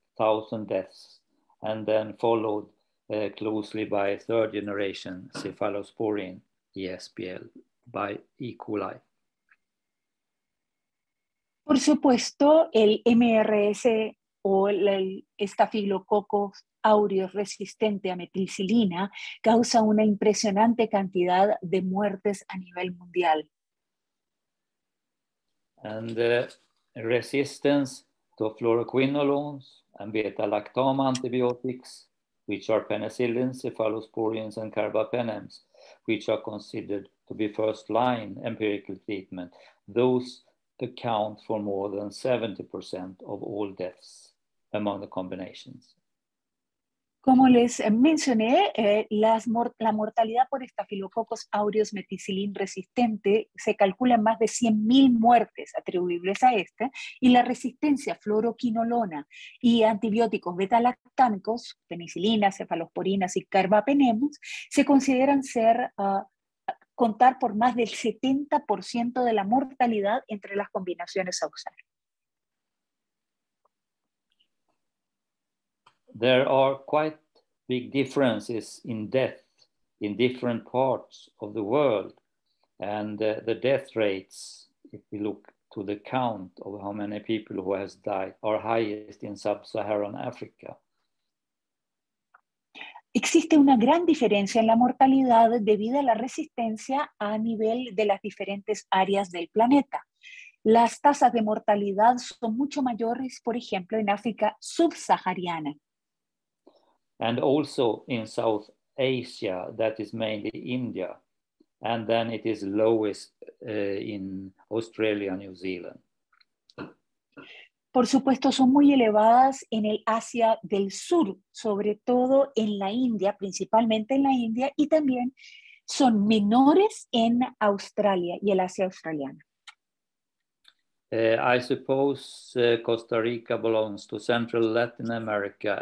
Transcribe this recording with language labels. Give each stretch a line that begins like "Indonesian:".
English: 1,000 deaths, and then followed closely by third generation cephalosporin ESBL by E. coli.
Spanish: Por supuesto, el MRS o el Staphylococcus aureus resistente a meticilina causa una impresionante cantidad de muertes a nivel mundial.
English: And the resistance to fluoroquinolones and beta-lactam antibiotics, which are penicillin, cephalosporins, and carbapenems, which are considered to be first-line empirical treatment, those account for more than 70% of all deaths among the combinations.
Spanish: Como les mencioné, la mortalidad por Staphylococcus aureus meticillin resistente se calcula en más de 100,000 muertes atribuibles a este, y la resistencia a fluoroquinolona y antibióticos beta-lactámicos, penicilina, cefalosporinas y carbapenemus, se consideran ser contar por más del 70% de la mortalidad entre las combinaciones a usar.
English: There are quite big differences in death in different parts of the world, and the death rates, if we look to the count of how many people who has died, are highest in sub-Saharan Africa.
Spanish: Existe una gran diferencia en la mortalidad debido a la resistencia a nivel de las diferentes áreas del planeta. Las tasas de mortalidad son mucho mayores, por ejemplo, en África subsahariana.
English: And also in South Asia, that is mainly India, and then it is lowest in Australia, New Zealand.
Spanish: Por supuesto, son muy elevadas en el Asia del Sur, sobre todo en la India, principalmente en la India, y también son menores en Australia y el Asia australiana.
English: I suppose Costa Rica belongs to Central Latin America.